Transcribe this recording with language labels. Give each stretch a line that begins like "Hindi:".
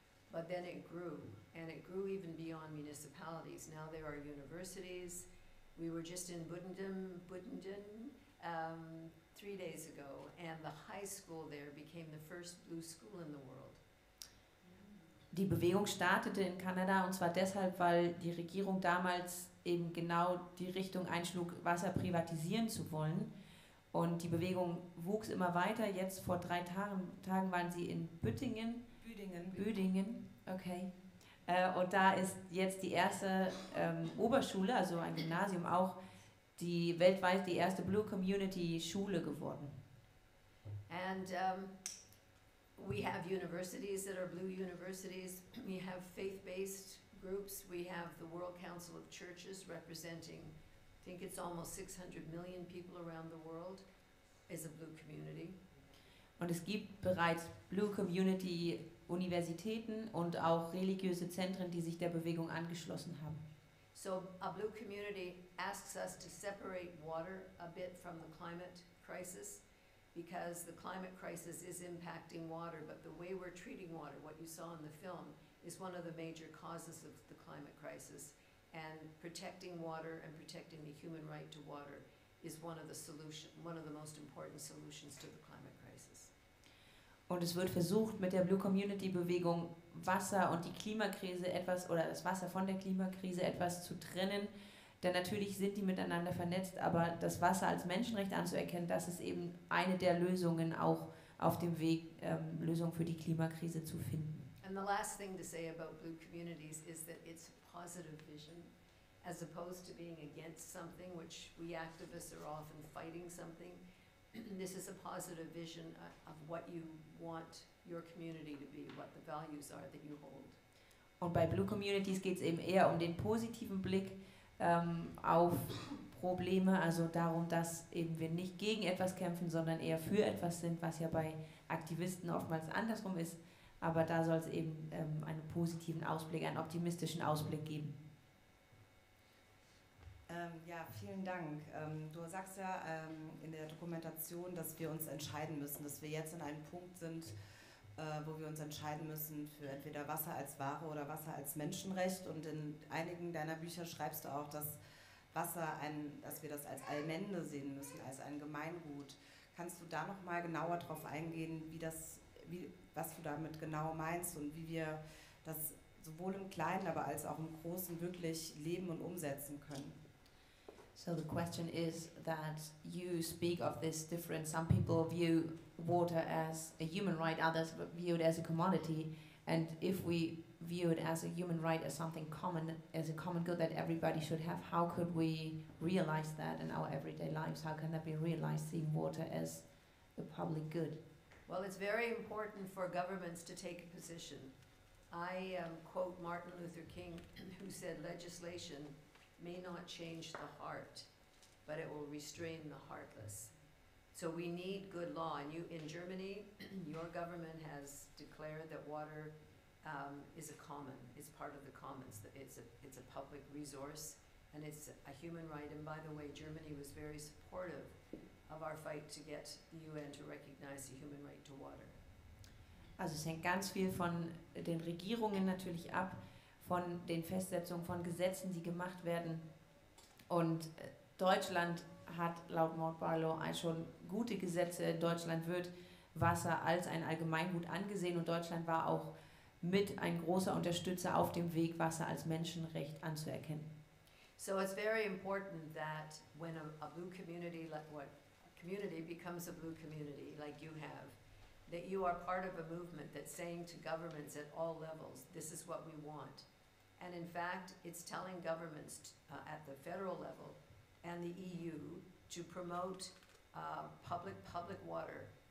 English: But then it grew, and it grew even beyond municipalities. Now there are universities. We were just in Budenden, 3 days ago, and the high school there became the first blue school in the world.
German: Die Bewegung startete in Kanada, und zwar deshalb, weil die Regierung damals eben genau die Richtung einschlug, Wasser privatisieren zu wollen. Und die Bewegung wuchs immer weiter. Jetzt vor 3 Tagen waren sie in Büdingen. Okay. Und da ist jetzt die erste Oberschule, also ein Gymnasium, auch die weltweit die erste Blue Community Schule geworden.
English: And we have universities that are blue universities. We have faith-based groups. We have the World Council of Churches representing, I think it's almost 600 million people around the world, is a blue community.
German: Und es gibt bereits Blue Community Universitäten und auch religiöse Zentren, die sich der Bewegung angeschlossen haben.
English: So a blue community asks us to separate water a bit from the climate crisis, because the climate crisis is impacting water, but the way we're treating water, what you saw in the film, is one of the major causes of the climate crisis, and protecting water and protecting the human right to water is one of the most important solutions to the climate crisis.
German: Und es wird versucht, mit der Blue Community Bewegung Wasser und die Klimakrise etwas, oder das Wasser von der Klimakrise etwas zu trennen. Denn natürlich sind die miteinander vernetzt, aber das Wasser als Menschenrecht anzuerkennen, das ist eben eine der Lösungen auch auf dem Weg, Lösungen für die Klimakrise zu finden.
English: And the last thing to say about Blue Communities is that it's positive vision, as opposed to being against something, which we activists are often fighting something. This is a positive vision of what you want your community to be, what the values are that you hold.
German: Und bei Blue Communities geht es eben eher um den positiven Blick auf Probleme, also darum, dass eben wir nicht gegen etwas kämpfen, sondern eher für etwas sind, was ja bei Aktivisten oftmals andersrum ist. Aber da soll es eben einen positiven Ausblick, einen optimistischen Ausblick geben. Ja, vielen Dank. Du sagst ja in der Dokumentation, dass wir uns entscheiden müssen, dass wir jetzt an einem Punkt sind, wo wir uns entscheiden müssen für entweder Wasser als Ware oder Wasser als Menschenrecht. Und in einigen deiner Bücher schreibst du auch, dass Wasser, dass wir das als Allmende sehen müssen, als ein Gemeingut. Kannst du da nochmal genauer drauf eingehen, was du damit genau meinst und wie wir das sowohl im Kleinen, aber als auch im Großen wirklich leben und umsetzen können?
English: So the question is that you speak of this difference. Some people view water as a human right, others view it as a commodity. And if we view it as a human right, as something common, as a common good that everybody should have, how could we realize that in our everyday lives? How can that be realized, seeing water as a public good? Well, it's very important for governments to take a position. I quote Martin Luther King, who said legislation may not change the heart, but it will restrain the heartless. So we need good law. And you, in Germany, your government has declared that water is a common, is part of the commons. It's a public resource, and it's a human right. And by the way, Germany was very supportive of our fight to get the UN to recognize the human right to water.
German: Also es hängt ganz viel von den Regierungen natürlich ab, von den Festsetzungen von Gesetzen, die gemacht werden. Und Deutschland hat laut Maud Barlow schon gute Gesetze. In Deutschland wird Wasser als ein Allgemeingut angesehen und Deutschland war auch mit ein großer Unterstützer auf dem Weg, Wasser als Menschenrecht anzuerkennen.
English: So it's very important that when a blue community, like what community becomes a blue community, like you have, that you are part of a movement that's saying to governments at all levels, this is what we want. And in fact, it's telling governments at the federal level and the EU to promote public water